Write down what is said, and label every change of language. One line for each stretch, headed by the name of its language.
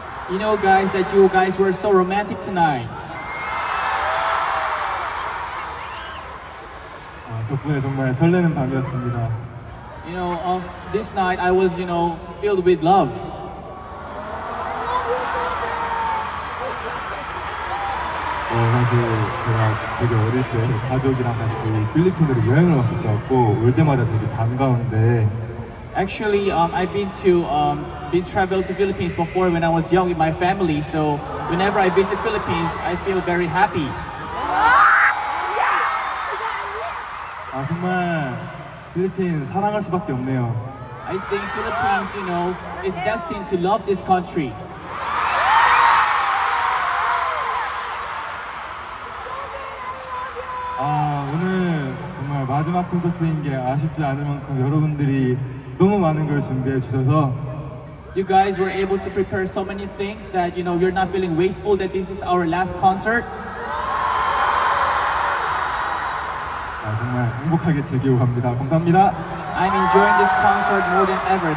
English: You know, guys, that you guys were so romantic tonight.
Korean: 덕분에 정말 설레는 밤이었습니다.
English: You know, this night I was, you know, filled with love.
Korean: 사실 제가 되게 어릴 때 가족이랑 같이 필리핀으로 여행을 갔었었고 올 때마다 되게 반가운데.
English: Actually, I've been traveled to Philippines before when I was young with my family. So whenever I visit Philippines, I feel very happy.
Korean: 아 정말 필리핀 사랑할 수밖에 없네요.
English: I think Philippines, you know, is destined to love this country.
Korean: 아 오늘 정말 마지막 콘서트인 게 아쉽지 않을 만큼 여러분들이 너무 많은 걸 준비해 주셔서.
English: You guys were able to prepare so many things that you know you're not feeling wasteful that this is our last concert.
Korean: 아 정말 행복하게 즐기고 갑니다. 감사합니다.
English: I'm enjoying this concert more than ever.